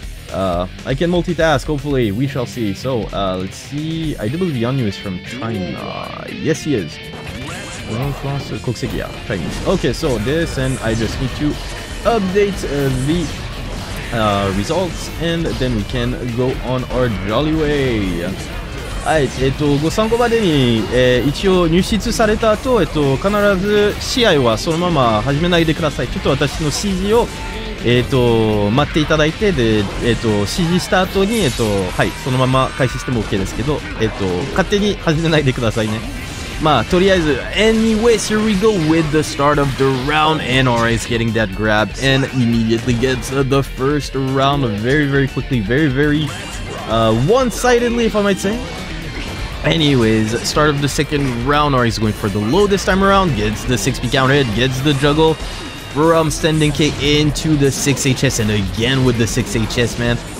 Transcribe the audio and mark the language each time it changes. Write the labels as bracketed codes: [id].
[en] I can multitask, hopefully. We shall see. So, let's see. I do believe Yanyu is from China. Yes, he is. Okay, so this, and I just need to update the results, and then we can go on our jolly way. [ja] はい、ご参考までに、一応入室された後、必ず試合はそのまま始めないでください。ちょっと私の指示を、待っていただいて、で、指示した後に、はい、そのまま開始しても OK ですけど、勝手に始めないでくださいね。まあ、とりあえず、 [en] anyways, here we go with the start of the round. NRA is getting that grab and immediately gets the first round very, very quickly, very, very, one-sidedly, if I might say. Anyways, start of the second round, NRA is going for the low this time around, gets the 6P counter hit, gets the juggle from standing kick into the 6HS, and again with the 6HS, man.